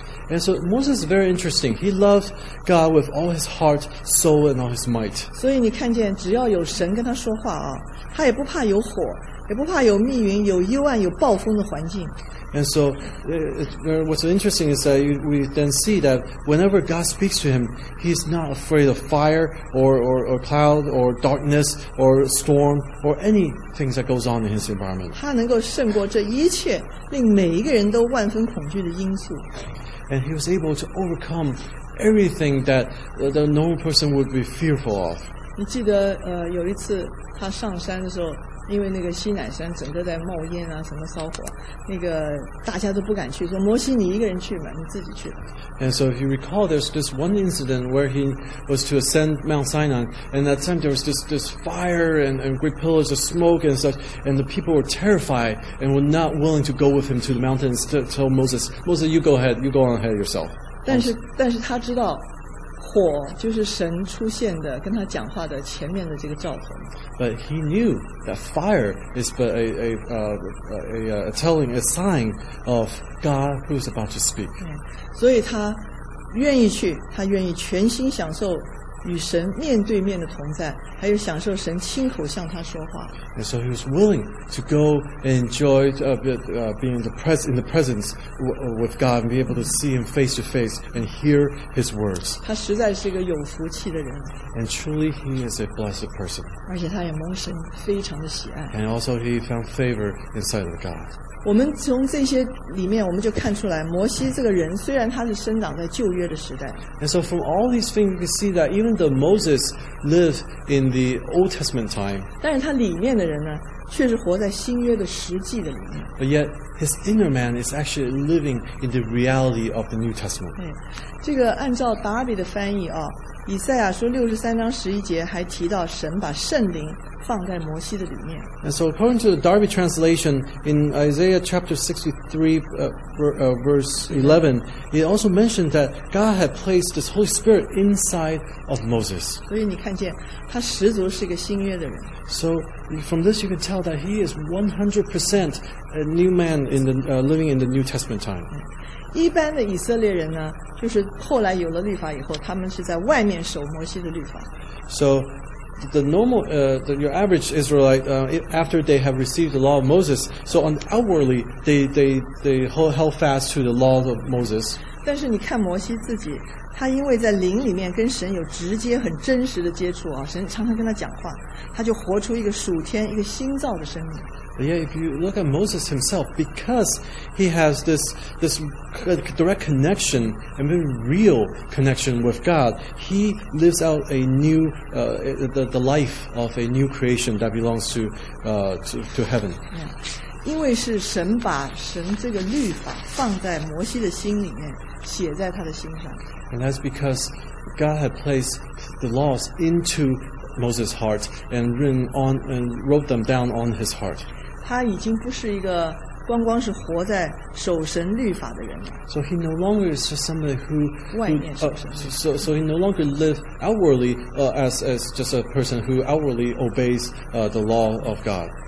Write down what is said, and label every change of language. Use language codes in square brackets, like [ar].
[en] And so Moses is very interesting. He loves God with all his heart, soul, and all his might. [zh] 所以你看见只要有神跟他说话啊，他也不怕有火，也不怕有密云、有幽暗、有暴风的环境。 [en] And so, what's interesting is that we then see that whenever God speaks to him, he's not afraid of fire or cloud or darkness or storm or anything that goes on in his environment. [zh] 他能够胜过这一切令每一个人都万分恐惧的因素。 [en] And he was able to overcome everything that the normal person would be fearful of. [zh] 你记得有一次他上山的时候。因为那个西乃山整个在冒烟啊，什么烧火，那个大家都不敢去，说摩西你一个人去嘛，你自己去吧。 [en] And so if you recall, there's this one incident where he was to ascend Mount Sinai, and at that time there was this fire and great pillars of smoke and such, and the people were terrified and were not willing to go with him to the mountains to tell Moses, you go ahead, you go on ahead yourself. [zh] 但是他知道。火就是神出现的，跟他讲话的前面的这个兆头。 [en] But he knew that fire is but a sign of God who is about to speak. [zh] 所以他愿意去，他愿意全心享受与神面对面的同在，还有享受神亲口向他说话。 [en] And so he was willing to go and enjoy being in the presence with God and be able to see him face to face and hear his words. [zh] 他实在是一个有福气的人。 [en] And truly he is a blessed person. [zh] 而且他也蒙神非常的喜爱。 [en] And also he found favor in sight of God. [zh] 我们从这些里面我们就看出来，摩西这个人虽然他是生长在旧约的时代。 [en] And so from all these things you can see that even though Moses lived in the Old Testament time, [zh] 但是他里面的人呢，却是活在新约的实际的里面。 [en] But yet his inner man is actually living in the reality of the New Testament. [zh] 这个按照达比的翻译啊，以赛亚书六十三章十一节还提到神把圣灵放在摩西的里面。 [en] And so according to the Darby translation in Isaiah chapter 63 verse 11, it also mentioned that God had placed this Holy Spirit inside of Moses. [zh] 所以你看见他十足是个新约的人。 [en] So from this you can tell that he is 100% a new man in the, living in the New Testament time. [zh] 一般的以色列人呢，就是后来有了律法以后，他们是在外面守摩西的律法。 [en] So,The normal, your average Israelite, after they have received the law of Moses, so on outwardly, they held fast to the law of Moses. [zh] 但是你看摩西自己，他因为在灵里面跟神有直接很真实的接触啊，神常常跟他讲话，他就活出一个属天、一个新造的生命。 [en] Yeah, if you look at Moses himself, because he has this direct connection and very real connection with God, he lives out a new the life of a new creation that belongs to heaven. Yeah. [zh] 因为是神把神这个律法放在摩西的心里面，写在他的心上。 [en] And that's because God had placed the laws into Moses' heart and written on and wrote them down on his heart. [zh] 他已经不是一个光光是活在守神律法的人了。 [en] So he no longer is just somebody who [zh] 外面守神。 [en] So he no longer lives outwardly as just a person who outwardly obeys the law of God.